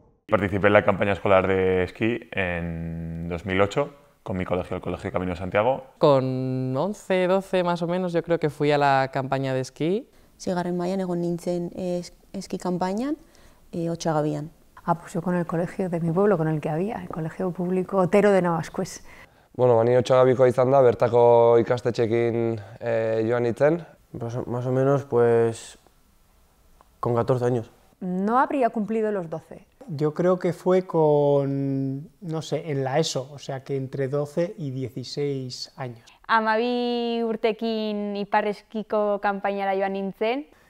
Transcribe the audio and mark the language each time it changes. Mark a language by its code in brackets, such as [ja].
[es] Participé en la campaña escolar de esquí en 2008 con mi colegio, el Colegio Camino de Santiago. Con 11, 12 más o menos, yo creo que fui a la campaña de esquí. [eu] Zigarren mailan egon nintzen eski kanpainan, otsagabian. [es] Apuso con el colegio de mi pueblo, con el que había, el colegio público Otero de Navascués. [eu] Bueno, bani otsagabikoa izan da, bertako ikastetxekin joan itzen. [es] Más o menos, pues, con 14 años. No habría cumplido los 12. Yo creo que fue con, no sé, en la ESO, o sea que entre 12 y 16 años. [eu] Amabi urtekin iparreskiko kanpainara joan nintzen.